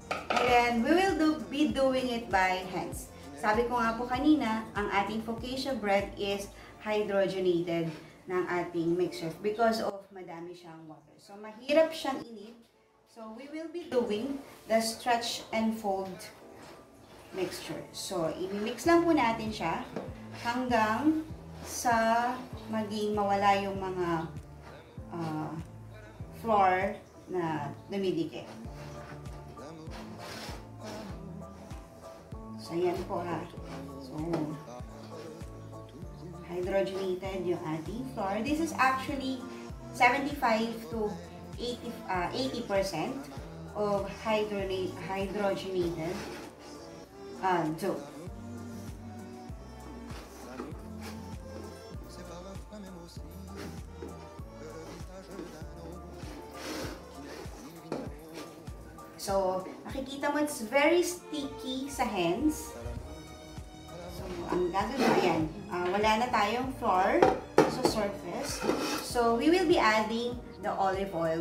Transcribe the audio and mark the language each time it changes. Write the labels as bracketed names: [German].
[English] And we will be doing it by hands. [Filipino] Sabi ko nga po kanina, ang ating focaccia bread is hydrogenated ng ating mixture because of madami siyang water. So, mahirap siyang init. [English] So, we will be doing the stretch and fold mixture. [Filipino] So, i-mix lang po natin siya hanggang sa maging mawala yung mga flour na dumidikit. So, ayan po ha. So, hydrogenated yung ating flour. [English] This is actually 75 to 80% of hydrogenated dough. So, [Filipino] makikita mo, [English] it's very sticky sa hands. [Filipino] So, ang gagawin mo, ayan, wala na tayong flour sa surface. [English] So, we will be adding the olive oil.